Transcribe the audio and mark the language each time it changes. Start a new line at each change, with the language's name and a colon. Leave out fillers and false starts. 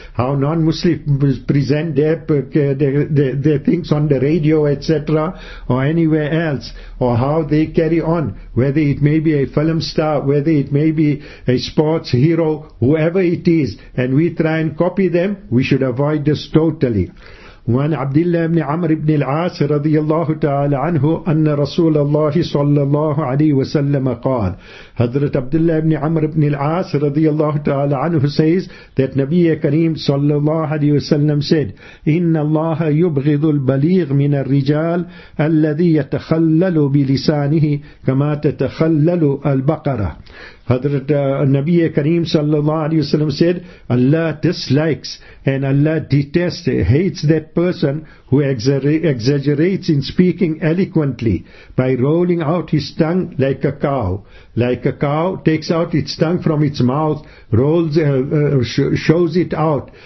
English: How non-Muslims present their things on the radio, etc., or anywhere else, or how they carry on, whether it may be a film star, whether it may be a sports hero, whoever it is, and we try and copy them, we should avoid this totally.
Arabic: وعن عبد الله بن عمرو بن العاص رضي الله تعالى عنه أن رسول الله صلى الله عليه وسلم قال. حضرت عبد الله بن عمرو بن العاص رضي الله تعالى عنه
English: says that
Arabic: نبي كريم صلى الله عليه وسلم
English: said,
Arabic: إن الله يبغض البليغ من الرجال الذي يتخلل بلسانه كما تتخلل البقرة.
English: Hadrat Nabi Kareem sallallahu alayhi wa sallam said, Allah dislikes and Allah detests, hates that person who exaggerates in speaking eloquently by rolling out his tongue like a cow. Like a cow takes out its tongue from its mouth, shows it out.